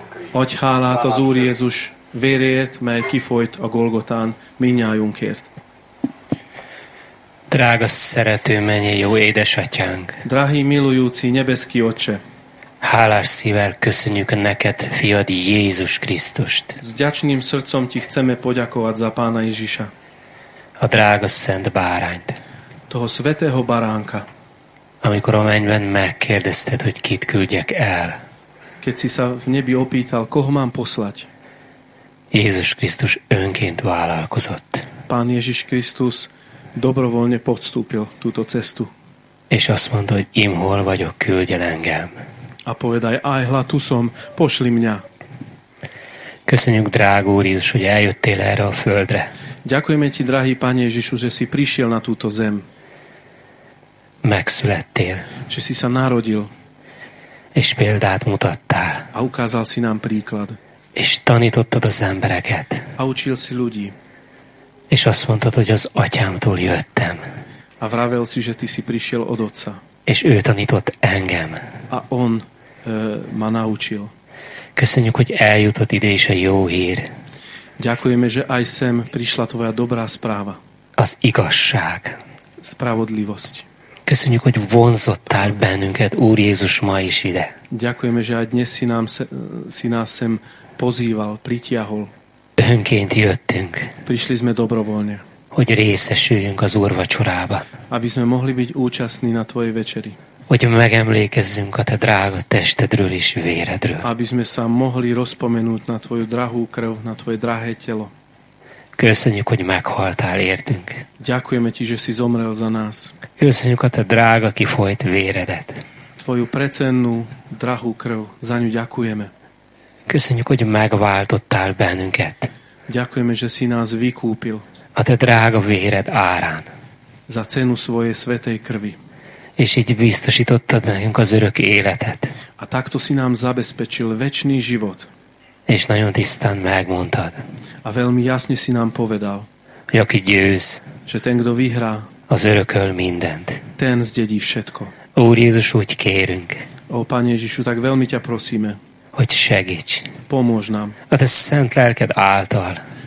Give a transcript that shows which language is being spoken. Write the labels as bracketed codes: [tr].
[hu] Adj hálát az Úr Jézus vérért, mely kifolyt a Golgotán mindnyájunkért. Drága szerető mennyei jó édesatyánk. [sk] Drahý milujúci nebeský otče. [hu] Hálás szívvel köszönjük neked, fiad Jézus Krisztust. [sk] S vďačným srdcom ti chceme poďakovať za pána Ježiša. [hu] A drága szent bárányt. [sk] Toho svetého baránka. [hu] Amikor a mennyben megkérdezted, hogy kit küldjek el. [sk] Keď si sa v nebi opýtal, koho mám poslať. [hu] Jézus Krisztus önként vállalkozott. [sk] Pán Ježiš Krisztus dobrovoľne podstúpil túto cestu. [hu] És azt mondta, hogy im hol vagyok, küldj el engem. [sk] A povedaj, aj hla tu som, pošli mňa. [hu] Köszönjük, drága Úr Jézus, hogy eljöttél erre a földre. [sk] Ďakujeme ti, drahý Pane Ježišu, že si prišiel na túto zem. [hu] Megszülettél. [sk] Že si sa narodil. [hu] És példát mutattál. [sk] A ukázal si nám príklad. [hu] És tanítottad az embereket. [sk] A učil si ľudí. [hu] És azt mondtad, hogy az atyámtól jöttem. [sk] A vravel si, že ty si prišiel od otca. [hu] És ő tanított engem. [sk] A on ma naučil. [hu] Köszönjük, hogy eljutott ide is a jó hír. [sk] Ďakujeme, že aj sem prišla tvoja dobrá správa. [hu] Az igazság. [sk] Spravodlivosť. [hu] Köszönjük, hogy vonzottál bennünket, Úr Jézus, ma is ide. [sk] Ďakujeme, že aj dnes si nás sem pozýval, pritiahol. [hu] Önként jöttünk. [sk] Prišli sme dobrovoľne. [hu] Hogy részesüljünk az Úr vacsorába. [sk] Aby sme mohli byť účastní na tvojej večeri. [hu] Hogy megemlékezzünk a te drága testedről és véredről. [sk] Aby sme sa mohli rozpomenúť na tvoju drahú krv, na tvoje drahé telo. [hu] Köszönjük, hogy meghaltál értünk. [sk] Ďakujeme ti, že si zomrel za nás. [hu] Köszönjük a te drága kifolyt véredet. [sk] Tvoju precennú, drahú krv, za ňu ďakujeme. [hu] Köszönjük, hogy megváltottál bennünket. [sk] Ďakujeme, že si nás vykúpil. [hu] A te drága véred árán. [sk] Za cenu svojej svätej krvi. [hu] És így biztosítottad nekünk az örök életet. [sk] A takto si nám zabezpečil večný život. [hu] És nagyon tisztán megmondtad. [sk] A veľmi jasne si nám povedal. [hu] Hogy aki győz. [sk] Že ten, kto vyhrá. [hu] Az örököl mindent. [sk] Ten zdedí všetko. [hu] Úr Jézus, úgy kérünk. [sk] Ó, Pán Ježišu, tak veľmi ťa prosíme. [hu] Hogy segíts. [sk] Pomôž nám. [hu] A te szent lelked által.